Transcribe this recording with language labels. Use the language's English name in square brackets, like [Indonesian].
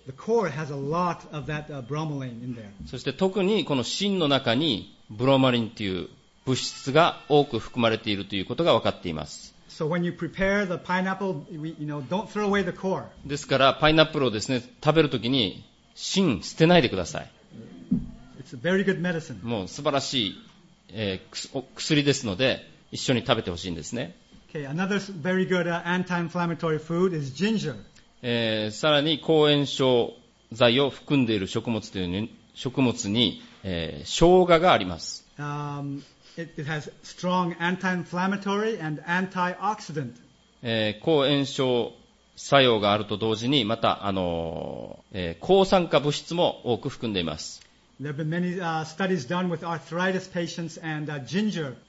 [English] The core has a lot of that bromelain in there. [Japanese] そして特にこの芯の中にブロマリンという物質が多く含まれているということが分かっています。 [English] So when you prepare the pineapple, you know, don't throw away the core. [Japanese] ですからパイナップルをですね食べるときに芯捨てないでください。 [English] It's a very good medicine. [Japanese] もう素晴らしい、薬ですので一緒に食べてほしいんですね。 [English] Okay, another very good anti-inflammatory food is ginger. [Japanese] さらに抗炎症剤を含んでいる食物というに食物に、生姜があります。 [English] It has strong anti-inflammatory and antioxidant. [Japanese] 抗炎症作用があると同時にまた抗酸化物質も多く含んでいます。 [English] There have been many studies done with arthritis patients and ginger.